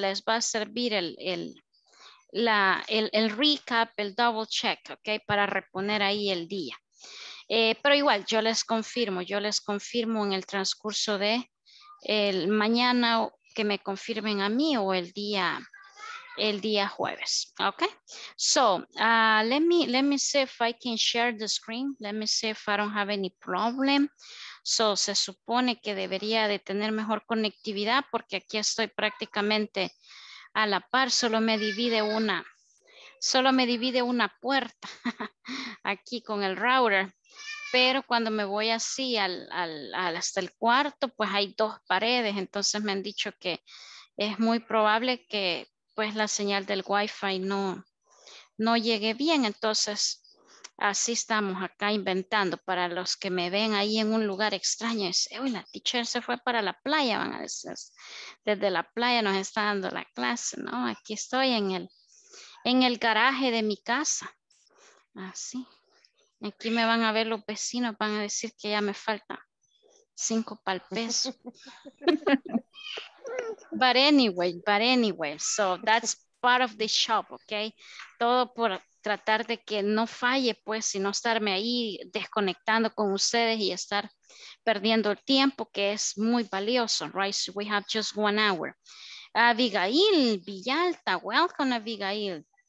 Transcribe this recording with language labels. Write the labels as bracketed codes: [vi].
[es] Les va a servir el recap, el double check, ok, para reponer ahí el día, pero igual yo les confirmo en el transcurso de el mañana, que me confirmen a mí, o el día jueves, ok. [en] So let me see if I can share the screen, let me see if I don't have any problem. [es] So se supone que debería de tener mejor conectividad, porque aquí estoy prácticamente a la par, solo me divide una puerta aquí con el router, pero cuando me voy así al hasta el cuarto, pues hay dos paredes, entonces me han dicho que es muy probable que pues la señal del wifi no llegue bien, entonces así estamos acá inventando. Para los que me ven ahí en un lugar extraño, dice, uy, la teacher se fue para la playa, van a decir, desde la playa nos está dando la clase, ¿no? Aquí estoy en el garaje de mi casa, así. Aquí me van a ver los vecinos, van a decir que ya me falta 5 para el peso. [en] But anyway, so that's part of the shop, okay? [es] Todo por tratar de que no falle, pues, sino estarme ahí desconectando con ustedes y estar perdiendo el tiempo, que es muy valioso, right? [en] So we have just 1 hour. Abigail Villalta, welcome, Abigail.